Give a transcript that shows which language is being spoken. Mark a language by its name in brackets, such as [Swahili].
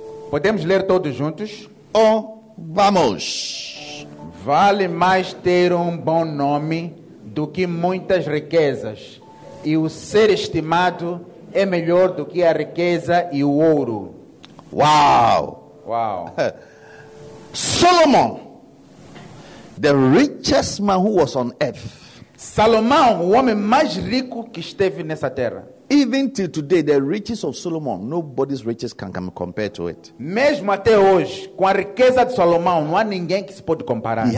[Portuguese] Podemos ler todos juntos? Oh, vamos! Vale mais ter um bom nome do que muitas riquezas, e o ser estimado é melhor do que a riqueza e o ouro. [English] Wow! Wow! Solomon, the richest man who was on earth. [Portuguese] Salomão, o homem mais rico que esteve nessa terra. [English] Even till today, the riches of Solomon, nobody's riches can come compared to it. [Portuguese] Mesmo até hoje, com a riqueza de Salomão, não há ninguém que se pode comparar.